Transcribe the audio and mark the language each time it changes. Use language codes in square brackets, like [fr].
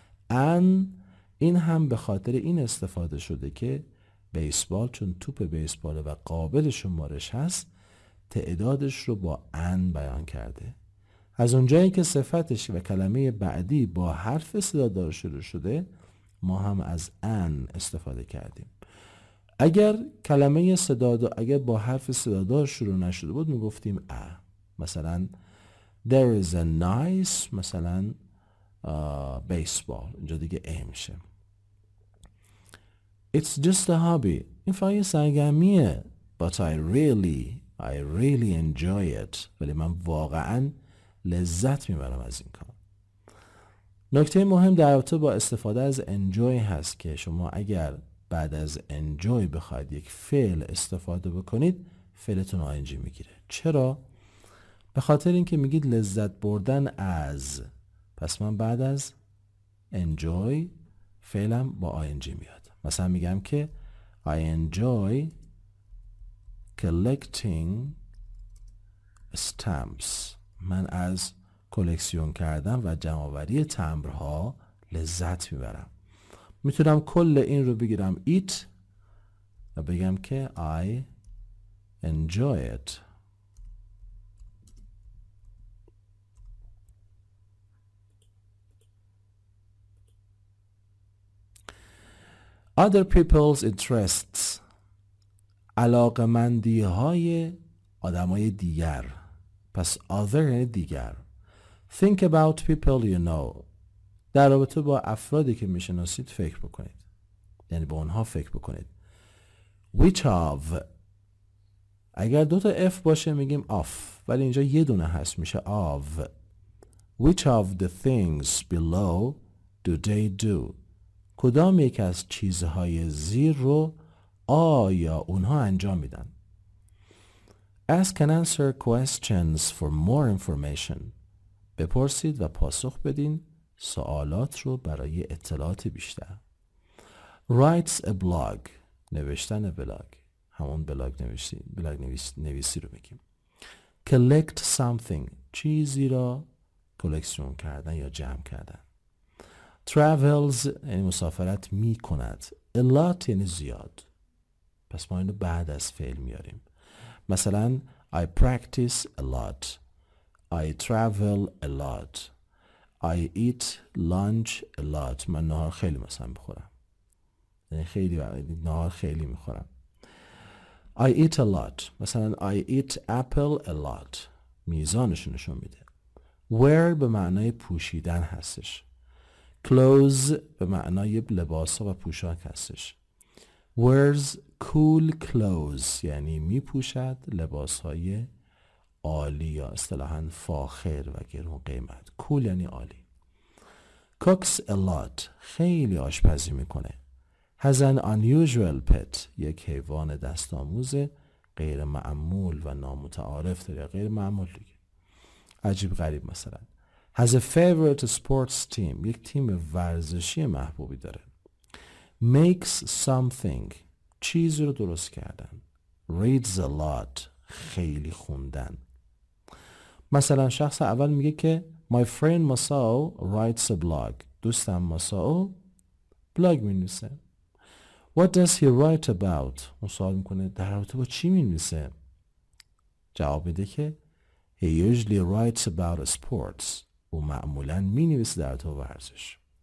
[fa] ان این هم به خاطر این استفاده شده که بیسبال چون توپ بیسباله و قابل شمارش هست تعدادش رو با ان بیان کرده. از اونجایی که صفتش و کلمه بعدی با حرف صدادار شروع شده ما هم از ان استفاده کردیم. اگر کلمه صدادار اگر با حرف صدادار شروع نشده بود میگفتیم ا. مثلا [en] There is a nice مثلا baseball. [fa] اینجا دیگه ای میشه. [en] It's just a hobby. [fa] این فقط سرگرمیه. [en] But I really enjoy it. [fa] ولی من واقعا لذت میبرم از این کار. نکته مهم در رابطه با استفاده از enjoy هست که شما اگر بعد از enjoy بخواید یک فعل استفاده بکنید، فعلتون ing میگیره. چرا؟ به خاطر اینکه میگید لذت بردن از، پس من بعد از enjoy فعلم با ing میاد. مثلا میگم که [en] I enjoy collecting stamps. [fa] من از کلکسیون کردن و جمع‌آوری تمبرها لذت میبرم. میتونم کل این رو بگیرم eat و بگم که [en] I enjoy it. Other people's interests، [fa] علاقمندی های آدم های دیگر، پس other یعنی دیگر. [en] Think about people you know، [fa] در رابطه با افرادی که میشناسید فکر بکنید، یعنی با اونها فکر بکنید. Which of، اگر دوتا F باشه میگیم of، ولی اینجا یه دونه هست میشه of. [en] Which of the things below do they do؟ [fa] کدام یک از چیزهای زیر رو آیا اونها انجام میدن؟ [en] Ask and answer questions for more information. [fa] بپرسید و پاسخ بدین سوالات رو برای اطلاعات بیشتر. [en] Writes a blog. [fa] نوشتن بلاگ. همون بلاگ نویسی. بلاگ نویسی رو میگیم. [en] Collect something. [fa] چیزی را کلکسیون کردن یا جمع کردن. Travels یعنی مسافرت می کند. A lot یعنی زیاد. پس ما اینو بعد از فعل میاریم. مثلا [en] I practice a lot. I travel a lot. I eat lunch a lot. [fa] من نهار خیلی مثلا بخورم. یعنی خیلی نهار خیلی میخورم. [en] I eat a lot. [fa] مثلا [en] I eat apple a lot. [fa] میزانش نشون میده. Wear به معنای پوشیدن هستش. Clothes به معنای لباس ها و پوشاک هستش. [en] Wears cool clothes [fa] یعنی می پوشد لباس های عالی یا اصطلاحاً فاخر و گرون قیمت. Cool یعنی عالی. [en] Cooks a lot، [fa] خیلی آشپزی می کنه. [en] Has an unusual pet، [fa] یک حیوان دست آموز غیر معمول و نامتعارف داره، غیر معمول دیگه، عجیب غریب. مثلا [en] has a favorite sports team، [fa] یک تیم ورزشی محبوبی داره. [en] Makes something، [fa] چیزی رو درست کردن. [en] Reads a lot، [fa] خیلی خوندن. مثلا شخص اول میگه که [en] My friend Masao writes a blog، [fa] دوستم Masao بلاگ می‌نویسه. [en] What does he write about؟ [fa] اون سوال میکنه در رابطه با چی می‌نویسه؟ جواب میده که [en] He usually writes about sports، [fa] و معمولاً می نویسه در تو ورزش.